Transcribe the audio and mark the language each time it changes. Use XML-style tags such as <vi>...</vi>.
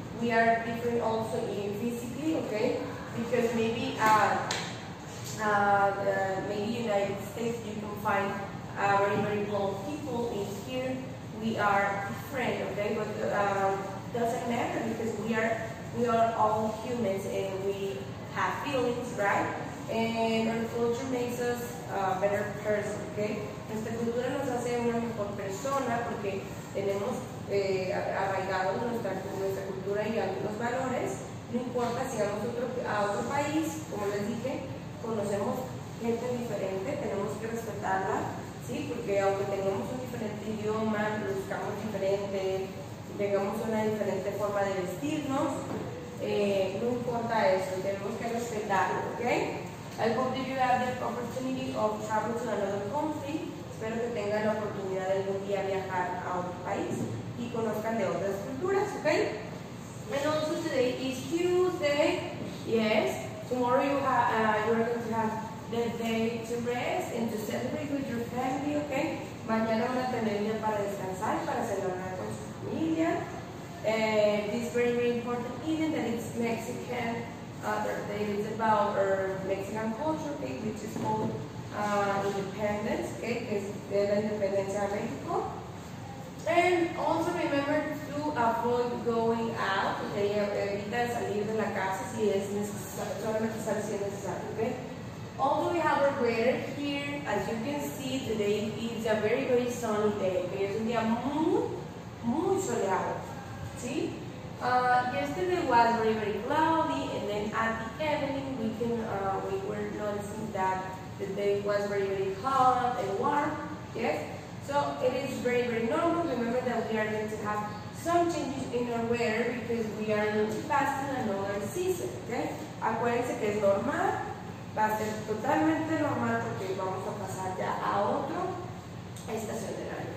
<en>We are different also in physically, okay? Because maybe maybe United States, you can find very, very tall people in here. We are different, okay? But doesn't matter because we are all humans and we have feelings, right? And our culture makes us a better person, okay?</en> <es>Nuestra cultura nos hace una mejor persona porque tenemos arraigado nuestra cultura y algunos valores. No importa si vamos a otro país, como les dije, conocemos gente diferente, tenemos que respetarla, ¿sí? Porque aunque tengamos un diferente idioma, buscamos diferente, tengamos una diferente forma de vestirnos, no importa eso, tenemos que respetarlo, okay?</es> <en>I hope that you have the opportunity of traveling to another country.</en> <es>Espero que tengan la oportunidad de algún día viajar a otro país y conozcan de otras culturas, okay?</es> <en>And also today is Tuesday. Yes, tomorrow you are going to have the day to rest and to celebrate with your family, okay?</en> <es>Mañana van a tener día para descansar, para celebrar con su familia.</es> <en>This very, very important evening that it's Mexican. It's about our Mexican culture, okay, which is called independence, okay,</en> <es>que es de la independencia de México.</es> <en>And also remember to avoid going out,</en> <es>okay, evita salir de la casa si es necesario, si es necesario, okay.</es> <en>Also we have our weather here, as you can see today is a very, very sunny day, okay,</en> <es>es un día muy, muy soleado, ¿sí?</es> <en>Yesterday was very, very cloudy, and then at the evening we were noticing that the day was very, very hot and warm, yes? So it is very, very normal. Remember that we are going to have some changes in our weather because we are going to pass in another season, okay?</en> <es>Acuérdense que es normal, va a ser totalmente normal porque vamos a pasar ya a otro estación del año.</es>